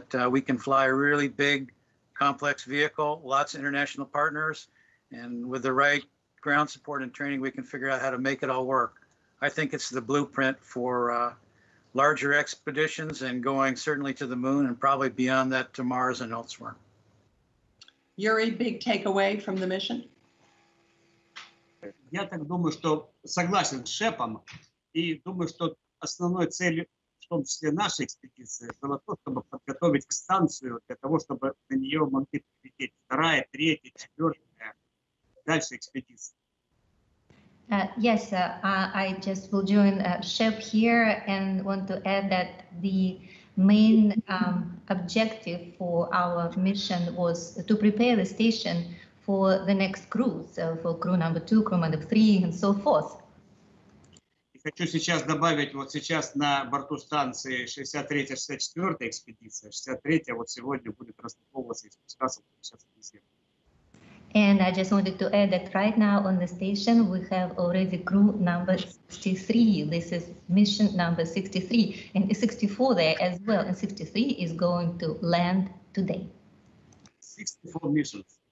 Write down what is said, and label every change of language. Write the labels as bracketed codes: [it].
[en] We can fly a really big, complex vehicle, lots of international partners, and with the right ground support and training, we can figure out how to make it all work. I think it's the blueprint for larger expeditions and going certainly to the moon and probably beyond that to Mars and elsewhere. Yuri, big takeaway from the mission? [ru] Я так думаю, что согласен с Шепом, и думаю, что основной целью, в том числе нашей экспедиции, было то, чтобы подготовить к станцию для того, чтобы на нее могли прилететь вторая, третья, четвертая, дальше экспедиция. [en] I just will join Shep here and want to add that the main objective for our mission was to prepare the station for the next crew, so for crew number 2, crew number 3, and so forth. [ru] хочу сейчас добавить, вот сейчас на борту станции 63-64 экспедиция, 63-я вот сегодня будет распаковываться и спускаться сейчас на землю. [en] And I just wanted to add that right now on the station, we have already crew number 63. This is mission number 63 and 64 there as well. And 63 is going to land today. 64 missions.